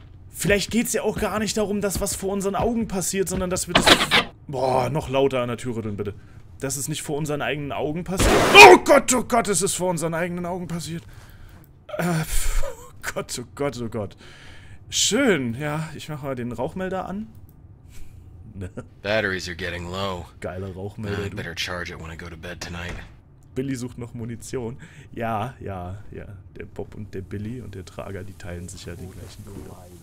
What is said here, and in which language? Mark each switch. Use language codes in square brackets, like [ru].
[de] Vielleicht geht es ja auch gar nicht darum, dass was vor unseren Augen passiert, sondern dass wir das... Boah, noch lauter an der Tür rütteln, bitte. Dass es nicht vor unseren eigenen Augen passiert. Oh Gott, es ist vor unseren eigenen Augen passiert. Oh Gott, oh Gott. Schön, ja. Ich mache mal den Rauchmelder an. [en] Batteries are getting low. [de] Geiler Rauchmelder. [en] I better charge it when I go to bed tonight. [de] Billy sucht noch Munition. Ja, ja, ja. Der Bob und der Billy und der Trager, die teilen sich ja den gleichen Cooler.